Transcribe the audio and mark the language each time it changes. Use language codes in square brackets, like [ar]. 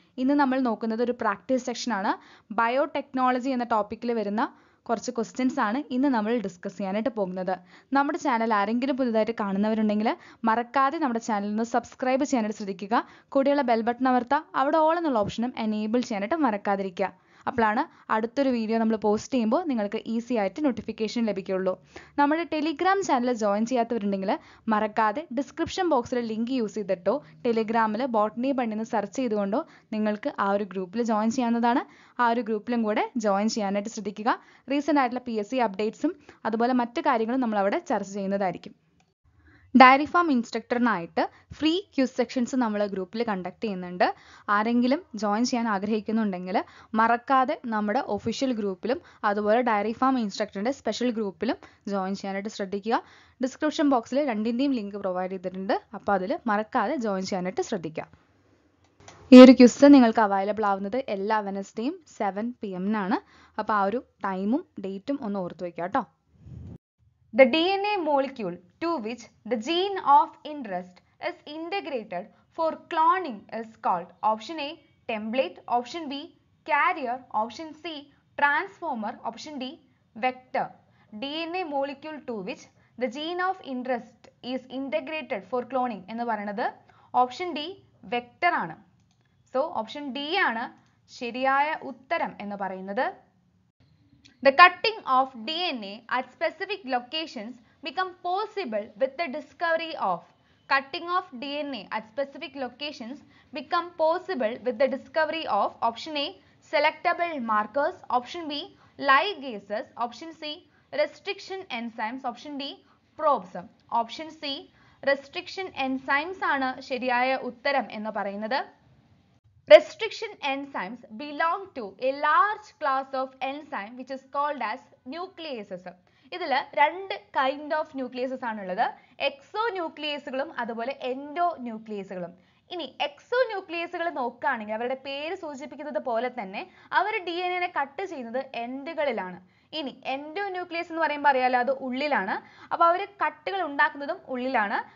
[ml] Innu nammal nokkunnathu oru practice section aanu biotechnology enna topic il verunna കുറച്ച് questions ആണ് ഇന്ന് നമ്മൾ discuss ചെയ്യാനായിട്ട് പോകുന്നത്. നമ്മുടെ ചാനൽ ആരെങ്കിലും പുതുതായിട്ട് കാണുന്നവരുണ്ടെങ്കിൽ മറക്കാതെ നമ്മുടെ ചാനലിന് സബ്സ്ക്രൈബ് ചെയ്യാനായിട്ട് ശ്രദ്ധിക്കുക. കൂടെയുള്ള ബെൽ ബട്ടൺ അമർത്താ, അവിടെ ഓൾ എന്നുള്ള ഓപ്ഷനും എനേബിൾ ചെയ്യാനായിട്ട് മറക്കാതിരിക്കുക. അപ്പോഴാണ് അടുത്തൊരു വീഡിയോ നമ്മൾ പോസ്റ്റ് ചെയ്യുമ്പോൾ നിങ്ങൾക്ക് ഈസി ആയിട്ട് നോട്ടിഫിക്കേഷൻ ലഭിക്കുള്ളൂ. നമ്മുടെ ടെലിഗ്രാം ചാനൽ ജോയിൻ ചെയ്യാത്തവരുണ്ടെങ്കിൽ മറക്കാതെ ഡിസ്ക്രിപ്ഷൻ ബോക്സിലെ ലിങ്ക് യൂസ് ചെയ്തിട്ടോ ടെലിഗ്രാമിൽ ബോട്ടണി ബണ്ണിന്ന് സെർച്ച് ചെയ്തുകൊണ്ടോ നിങ്ങൾക്ക് ആ ഒരു ഗ്രൂപ്പിൽ ജോയിൻ ചെയ്യാവുന്നതാണ്. ആ ഒരു ഗ്രൂപ്പിലും കൂടെ ജോയിൻ ചെയ്യാനായിട്ട് ശ്രദ്ധിക്കുക. റീസെൻ്റ് ആയിട്ടുള്ള പി എസ് സി അപ്ഡേറ്റ്സും അതുപോലെ മറ്റ് കാര്യങ്ങളും നമ്മൾ അവിടെ ചർച്ച ചെയ്യുന്നതായിരിക്കും. Dairy farm ഇൻസ്ട്രക്ടറിനായിട്ട് free quiz sections നമ്മൾ ഗ്രൂപ്പിൽ കണ്ടക്ട് ചെയ്യുന്നുണ്ട്. ആരെങ്കിലും ജോയിൻ ചെയ്യാൻ ആഗ്രഹിക്കുന്നുണ്ടെങ്കിൽ മറക്കാതെ നമ്മുടെ ഒഫീഷ്യൽ ഗ്രൂപ്പിലും അതുപോലെ ഡയറി ഫാം ഇൻസ്ട്രക്ടറിൻ്റെ സ്പെഷ്യൽ ഗ്രൂപ്പിലും ജോയിൻ ചെയ്യാനായിട്ട് ശ്രദ്ധിക്കുക. ഡിസ്ക്രിപ്ഷൻ ബോക്സിൽ രണ്ടിൻ്റെയും ലിങ്ക് പ്രൊവൈഡ് ചെയ്തിട്ടുണ്ട്. അപ്പോൾ അതിൽ മറക്കാതെ ജോയിൻ ചെയ്യാനായിട്ട് ശ്രദ്ധിക്കുക. ഈ ഒരു ക്യൂസ് നിങ്ങൾക്ക് അവൈലബിൾ ആവുന്നത് എല്ലാ വെനസ്ഡേയും 7 PM. അപ്പോൾ ആ ഒരു ടൈമും ഡേറ്റും ഒന്ന് ഓർത്ത് വയ്ക്കുക കേട്ടോ. [en] The DNA molecule to which the gene of interest is integrated for cloning is called option A, template, option B, carrier, option C, transformer, option D, vector. DNA molecule to which the gene of interest is integrated for cloning [ml] എന്ന് പറയുന്നത് option D vector ആണ്. So option D ആണ് ശരിയായ ഉത്തരം എന്ന് പറയുന്നത്. [en] The cutting of DNA at specific locations become possible with the discovery of option A selectable markers, option B ligases, option C restriction enzymes, option D probes. Option C restriction enzymes [ml] ആണ് ശരിയായ ഉത്തരം എന്ന് പറയുന്നത്. [en] Restriction enzymes belong to a large class of enzyme which is called as nucleases. [ml] ഇതില് രണ്ട് kind of nucleases ആണുള്ളത്, എക്സോ ന്യൂക്ലിയസുകളും അതുപോലെ endo ന്യൂക്ലിയസുകളും. ഇനി എക്സോ ന്യൂക്ലിയസുകൾ നോക്കുകയാണെങ്കിൽ അവരുടെ പേര് സൂചിപ്പിക്കുന്നത് പോലെ തന്നെ അവർ ഡി എൻ എനെ കട്ട് ചെയ്യുന്നത് എൻഡുകളിലാണ്. ഇനി എൻഡോ ന്യൂക്ലിയസ് എന്ന് പറയുമ്പോൾ അറിയാലോ അത് ഉള്ളിലാണ്. അപ്പോൾ അവർ കട്ടുകൾ ഉണ്ടാക്കുന്നതും ഉള്ളിലാണ്.